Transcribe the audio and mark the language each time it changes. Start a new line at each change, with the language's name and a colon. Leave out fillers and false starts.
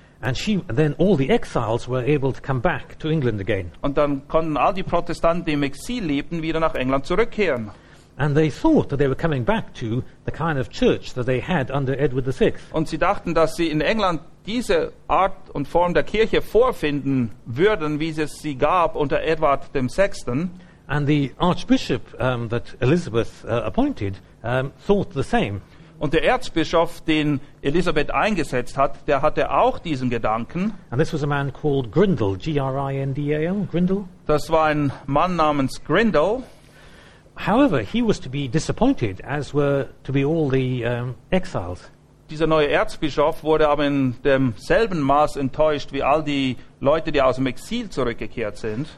English: And then all the exiles were able to come back to England again.
German: Und dann konnten all die Protestanten, die im Exil lebten, wieder nach England zurückkehren.
English: And they thought that they were coming back to the kind of church that they had under Edward VI.
German: Und sie dachten, dass sie in England diese Art und Form der Kirche vorfinden würden, wie es sie gab unter Edward dem VI.
English: And the archbishop that Elizabeth appointed thought the same.
German: Und der Erzbischof, den Elisabeth eingesetzt hat, der hatte auch diesen Gedanken.
English: And this was a man called Grindel, G-R-I-N-D-A-L, Grindel.
German: Das war ein Mann namens Grindel.
English: However, he was to be disappointed, as were to be all the exiles.
German: Dieser neue Erzbischof wurde aber in demselben Maß enttäuscht wie all die Leute, die aus dem Exil zurückgekehrt sind.